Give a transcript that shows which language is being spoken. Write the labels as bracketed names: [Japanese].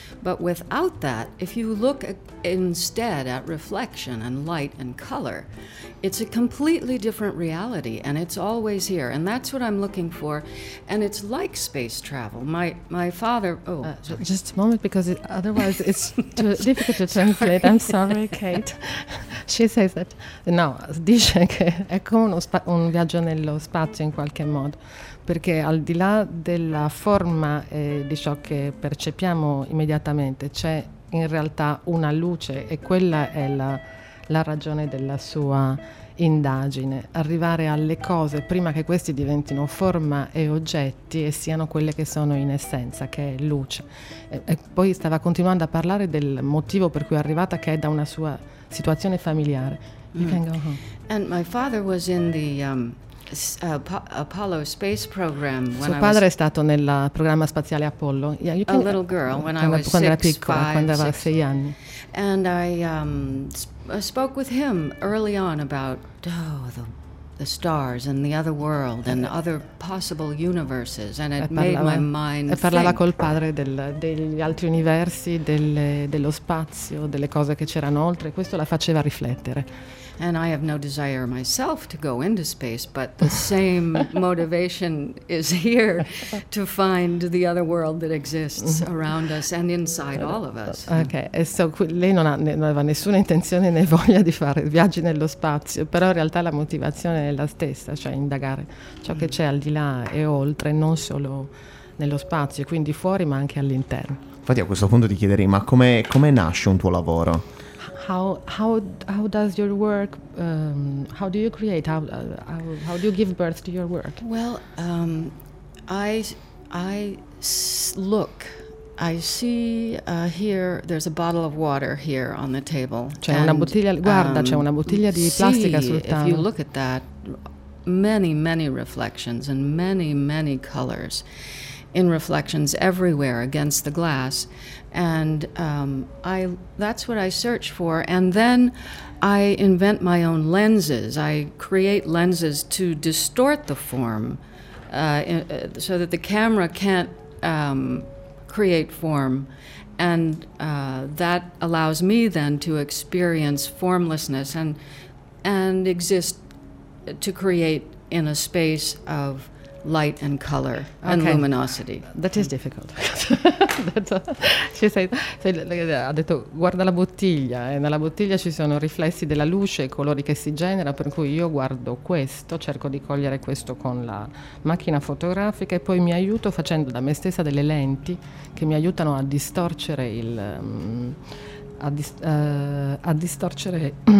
[English] But without that, if you look instead at reflection and light and color, it's a completely different reality, and it's always here. And that's what I'm looking for. And it's like space travel. My father... Oh, just a moment, because otherwise it's too difficult to translate. I'm sorry, Kate. She says that... [Italian] No, dice che è come un viaggio nello spazio in qualche modo. Perché al di là della forma e di ciò che percepiamo immediatamente, c'è in realtà una luce, e quella è la ragione della sua indagine. Arrivare alle cose prima che questi diventino forma e oggetti e siano quelle che sono in essenza, che è luce. E poi stava continuando a parlare del motivo per cui è arrivata, che è da una sua situazione familiare. [English] You can go home. And my father was in the... Apollo space program when [Italian] suo padre è stato nel programma spaziale Apollo. [English] Yeah, can, a little girl when I was [Italian] quando era piccola, [English] five, [Italian] quando aveva sei anni. [English] And I spoke with him early on about the stars and the other world and other possible universes, and it made my mind think. [Italian] E parlava col padre degli altri universi, dello spazio, delle cose che c'erano oltre. Questo la faceva riflettere. [English] And I have no desire myself to go into space, but the same motivation is here to find the other world that exists around us and inside all of us. [Italian] Okay, e so lei non aveva nessuna intenzione né voglia di fare viaggi nello spazio, però in realtà la motivazione è la stessa, cioè indagare ciò che c'è al di là e oltre, non solo nello spazio, quindi fuori, ma anche all'interno. Infatti a questo punto ti chiederei, ma come nasce un tuo lavoro? [English] How does your work? How do you create? How do you give birth to your work? Well, I see here. There's a bottle of water here on the table. [Italian] C'è una bottiglia. Guarda, c'è una bottiglia di plastica sul tavolo. [English] If you look at that, many many reflections and many many colors, in reflections everywhere against the glass. And that's what I search for. And then I invent my own lenses. I create lenses to distort the form so that the camera can't create form. And that allows me then to experience formlessness and exist to create in a space of light and color and okay. luminosity. That is difficult. [Italian] ha detto guarda la bottiglia e nella bottiglia ci sono riflessi della luce e colori che si genera, per cui io guardo questo, cerco di cogliere questo con la macchina fotografica e poi mi aiuto facendo da me stessa delle lenti che mi aiutano a distorcere